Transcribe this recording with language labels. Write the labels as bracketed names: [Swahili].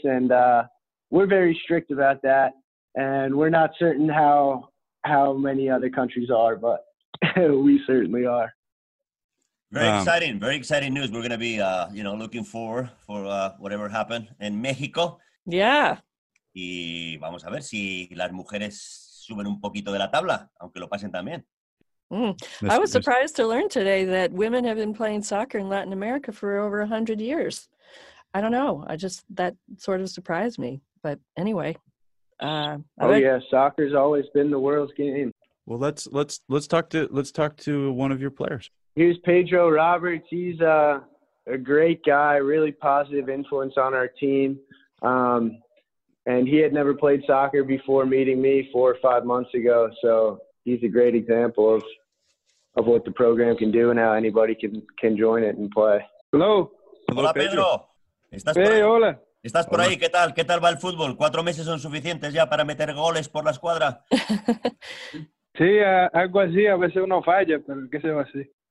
[English] And we're very strict about that. And we're not certain how many other countries are, but we certainly are. Very exciting news. We're going to be looking forward for whatever happened in Mexico. Yeah. [Spanish] y vamos a ver si las mujeres suben un poquito de la tabla, aunque lo pasen también. Mm. [English] I was surprised to learn today that women have been playing soccer in Latin America for over 100 years. I don't know. I just, that sort of surprised me. But anyway. Soccer's always been the world's game. Well, let's talk to one of your players. Here's Pedro Roberts. He's a great guy, really positive influence on our team. And he had never played soccer before meeting me 4 or 5 months ago. So he's a great example of what the program can do and how anybody can join it and play. Hello. [Spanish] Hola, Pedro. Hola. ¿Estás por ahí? ¿Qué tal? ¿Qué tal va el fútbol? 4 meses son suficientes ya para meter goles por la escuadra. Sí, algo así. A veces uno falla, pero qué se va así.